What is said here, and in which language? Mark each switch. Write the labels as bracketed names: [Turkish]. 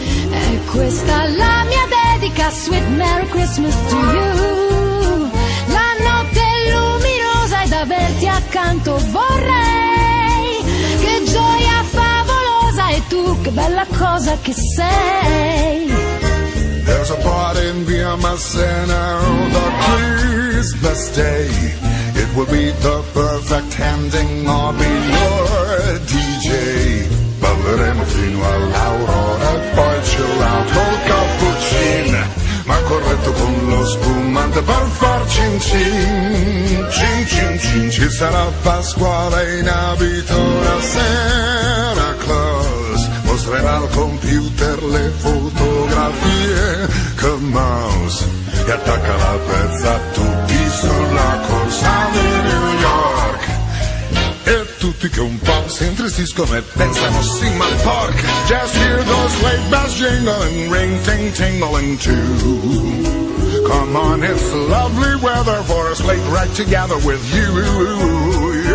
[Italian] È questa la mia dedica, [English] sweet Merry Christmas to you. [Italian] La notte è luminosa ed averti accanto vorrei. Che gioia favolosa e tu che bella cosa che sei. [English] There's a party in Via Massena on the Christmas Day. It will be the perfect ending of your DJ. [Italian] Balleremo fino all'aurora e poi c'è l'altro cappuccino. Ma corretto con lo spumante per far cin cin. Cin cin cin. Ci sarà Pasquale in abito da Santa Claus. Mostrerà al computer le fotografie con mouse. E attacca la pezza a tutti sulla corsa di New York. E tutti che un po' si intristiscono e pensano sì ma porca. [English] Just hear those sleigh bells jingling, ring ting tingling too. Come on, it's lovely weather for a sleigh ride together with you.